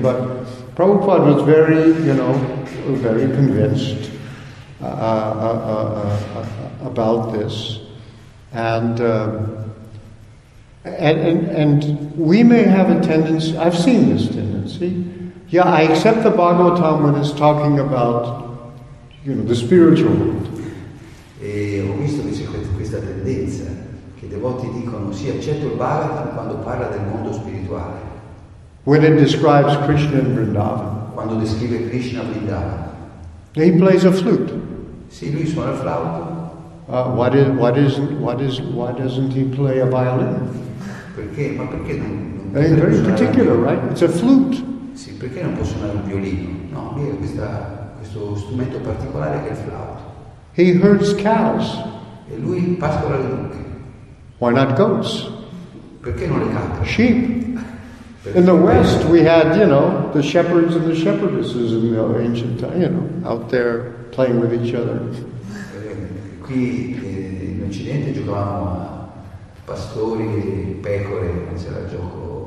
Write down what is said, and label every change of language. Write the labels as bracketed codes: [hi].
[en] But Prabhupada was very, very convinced about this. And we may have a tendency, I've seen this tendency. Yeah, I accept the Bhagavatam when it's talking about, the spiritual world. [it] E ho visto che c'è questa tendenza che i devoti dicono sì, accetto il Bhagavatam quando parla del mondo spirituale. [en] When it describes Krishna in Vrindavan. [it] Quando descrive Krishna Vrindavan. [en] He plays a flute. [it] Sì, lui suona flauto. [en] Why doesn't he play a violin? [it] Perché? Ma perché non? [en] È very particular, right? It's a flute. [it] Sì, perché non può suonare un violino? No, lui ha questo strumento particolare che è il flauto. [en] He herds cows. [it] E lui pascola le mucche. [en] Why not goats? [it] Perché non le capre? [en] Sheep. In the West, we had, you know, the shepherds and the shepherdesses in the ancient time, you know, out there playing with each other. [it] Qui in Occidente giocavamo a pastori e pecore, c'era il gioco.